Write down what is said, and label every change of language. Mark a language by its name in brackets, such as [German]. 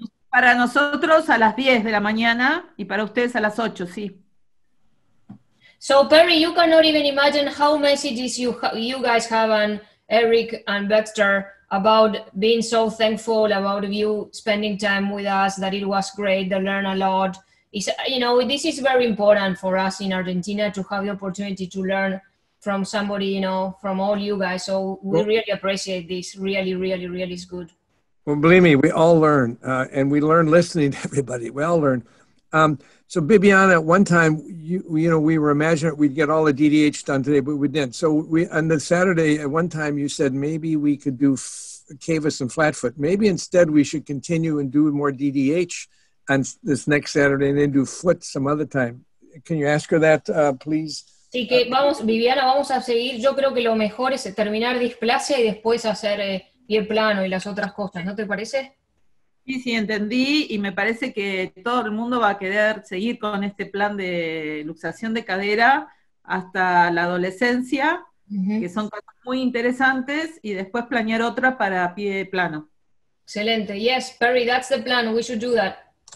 [Spanish] Para nosotros a las 10 de la mañana y para ustedes a las 8, sí. [English] So Perry, you cannot even imagine how messages you guys have on Eric and Baxter about being so thankful about you spending time with us, that it was great, they learn a lot. It's, you know, this is very important for us in Argentina to have the opportunity to learn from somebody, you know, from all you guys. So we really appreciate this. Really, really, really is good. Well, believe me, we all learn, and we learn listening to everybody. We all learn. So Bibiana, at one time, you know, we were imagining we'd get all the DDH done today, but we didn't. So we, on the Saturday, at one time, you said maybe we could do Cavus and Flatfoot. Maybe instead we should continue and do more DDH on this next Saturday and then do foot some other time. Can you ask her that, please? [Spanish] Sí, que vamos, Bibiana, vamos a seguir. Yo creo que lo mejor es terminar displasia y después hacer pie plano y las otras cosas, ¿no te parece? Sí, sí, entendí, y me parece que todo el mundo va a querer seguir con este plan de luxación de cadera hasta la adolescencia, que son cosas muy interesantes, y después planear otra para pie plano. Excelente, [English] yes, Perry, that's the plan, we should do that.